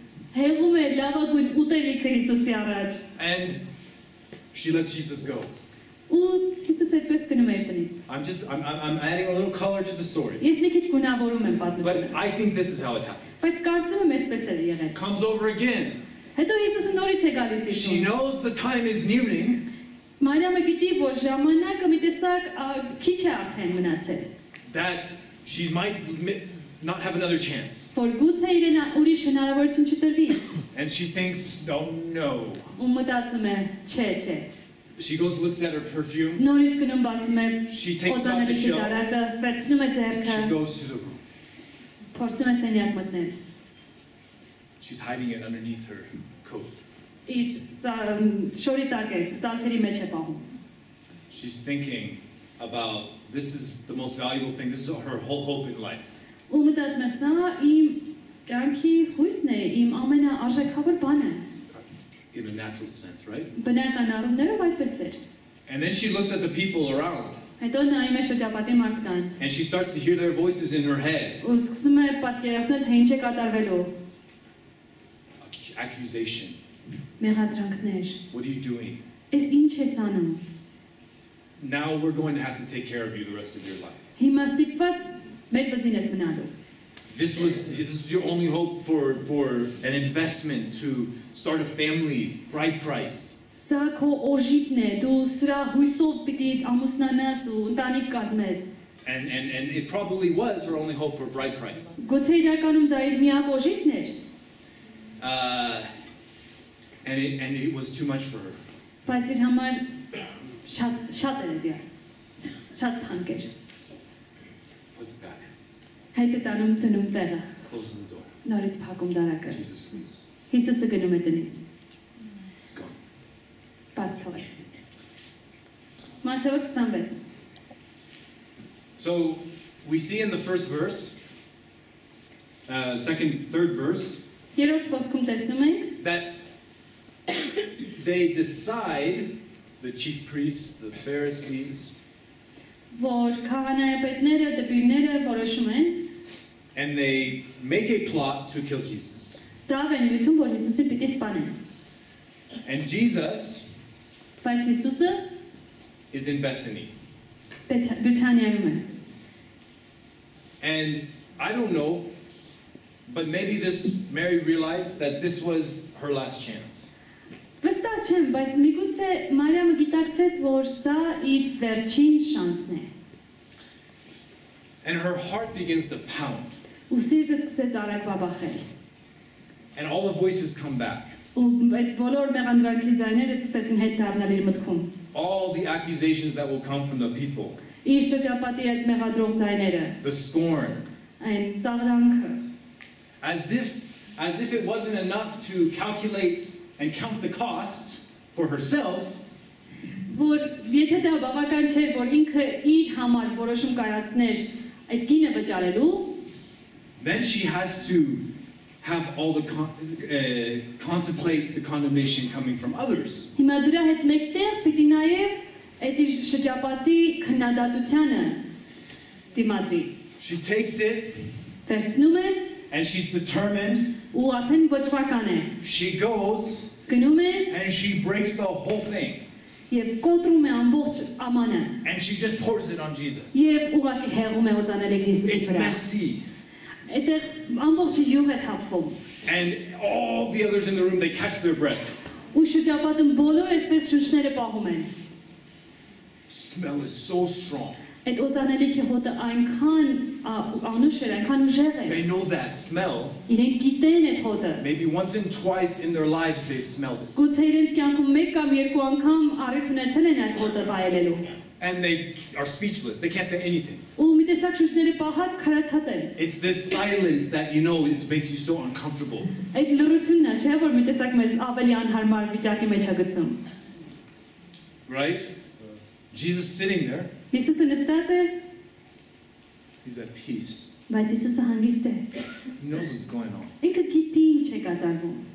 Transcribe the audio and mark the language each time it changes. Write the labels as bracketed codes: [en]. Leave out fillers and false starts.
[hy] Հեղում է լավագույն ուտելիքը Հիսուսի առաջ։ [en] And she lets Jesus go. [hy] Ու Հիսուսը այդպես գնում է իր տնից։ [en] I'm adding a little color to the story. [hy] Ես մի քիչ գունավորում եմ պատմությունը։ [en] But I think this is how it happened. [hy] Բայց կարծում եմ այսպես էր եղել։ [en] Comes over again. [hy] Հետո Հիսուսը նորից է գալիս իր տուն։ [en] She knows the time is nearing. [hy] Մարիամը գիտի, որ ժամանակը մի տեսակ քիչ է արդեն մնացել։ [en] That she might not have another chance. [hy] Որ գուցե իրեն ուրիշ հնարավորություն չտրվի։ [en] And she thinks, oh no. [hy] Ու մտածում է, չէ, չէ։ [en] She goes looks at her perfume. No, it's going to bottom her. She takes out the shelf. [hy] Վերցնում է ձեռքը. [en] She goes to the room. [hy] Փորձում է սենյակ մտնել. [en] She's hiding it underneath her coat. [hy] Իս շորի տակ է, ծանրի մեջ է պահում։ [en] She's thinking about this is the most valuable thing. This is her whole hope in life. [hy] Ու մտածում է, սա իմ կյանքի հույսն է, իմ ամենաարժեքավոր բանը. [en] In a natural sense, right? [hy] Բնականաբարներով այդպես էր. [en] And then she looks at the people around. [hy] Հետո նայում է շրջապատի մարդկանց. [en] And she starts to hear their voices in her head. [hy] Ու սկսում է պատկերացնել, թե ինչ է կատարվելու. [en] Accusation. [hy] Մեղադրանքներ. [en] What are you doing? [hy] Իս ինչ ես անում? [en] Now we're going to have to take care of you the rest of your life. He must be fast. [hy] Մեծին ես մնալու. [en] This is your only hope for an investment to start a family, right price. [hy] Սա քո օժիտն է, դու սրա հույսով պիտի ամուսնանաս ու ընտանիք կազմես. [en] And it probably was her only hope for a bride price. [hy] Գուցե իրականում դա իր միակ օժիտն էր. [en] And it was too much for her. [hy] Բայց իր համար շատ էր դա. Շատ թանկ էր. [en] Was it bad? [hy] Հետը տանում տնում տեղը. [en] Closing the door. [hy] Նորից փակում դարակը. [en] Jesus knows. [hy] Հիսուսը գնում է տնից. [en] He's gone. [hy] Բաց թողեց. Մատթեոս 26. [en] So we see in the first verse, second, third verse, [hy] Երրորդ խոսքում տեսնում ենք, [en] that they decide, the chief priests, the Pharisees, [hy] որ քահանայապետները, դպիրները որոշում են, [en] and they make a plot to kill Jesus. [hy] Դավ են ուտում, որ Հիսուսին պիտի սպանեն. [en] And Jesus, [hy] բայց Հիսուսը, [en] is in Bethany. [hy] Բեթանիայում է. [en] And I don't know, but maybe this Mary realized that this was her last chance. [hy] Վստահ չեմ, բայց միգուցե Մարիամը գիտակցեց, որ սա իր վերջին շանսն է. [en] And her heart begins to pound. [hy] Ու սիրտը սկսեց արագ բաբախել. [en] And all the voices come back. [hy] Ու այդ բոլոր մեղանդրանքի ձայները սկսեցին հետ դառնալ իր մտքում. [en] All the accusations that will come from the people. [hy] Իր շրջապատի այդ մեղադրող ձայները. [en] The scorn. [hy] Այն ծաղրանքը. [en] As if it wasn't enough to calculate and count the costs for herself. [hy] Որ եթե դա բավական չէ, որ ինքը իր համար որոշում կայացներ այդ գինը վճարելու, [en] then she has to have all the contemplate the condemnation coming from others. [hy] Հիմա դրա հետ մեկտեղ պիտի նաև այդ իր շրջապատի քննադատությունը դիմադրի. [en] She takes it. [hy] Վերցնում է. [en] And she's determined. [hy] Ու արդեն ոչվական է. [en] She goes. [hy] Գնում է. [en] And she breaks the whole thing. [hy] Եվ կոտրում է ամբողջ ամանը. [en] And she just pours it on Jesus. [hy] Եվ ուղղակի հեղում է ոծանել Հիսուսի վրա. [en] It's messy. [hy] Այդտեղ ամբողջ յուղ է թափվում. [en] And all the others in the room, they catch their breath. [hy] Ու շրջապատում բոլորը այսպես շունչները պահում են. [en] Smell is so strong. [hy] Այդ ոծանելիքի հոտը այնքան անուշ էր, այնքան ուժեղ էր. [en] They know that smell. [hy] Իրենք գիտեն այդ հոտը. [en] Maybe once and twice in their lives they smelled it. [hy] Գուցե իրենց կյանքում մեկ կամ երկու անգամ առիթ ունեցել են այդ հոտը վայելելու. [en] And they are speechless. They can't say anything. [hy] Ու մի տեսակ շունչները պահած քարացած են. [en] It's this silence that you know is makes you so uncomfortable. [hy] Այդ լռությունն է, չէ՞, որ մի տեսակ մեզ ավելի անհարմար վիճակի մեջ է գցում. [en] Right? Jesus sitting there. [hy] Հիսուսը նստած է. [en] He's at peace. [hy] Բայց Հիսուսը հանգիստ է. [en] He knows what's going on. [hy] Ինքը գիտի ինչ է կատարվում.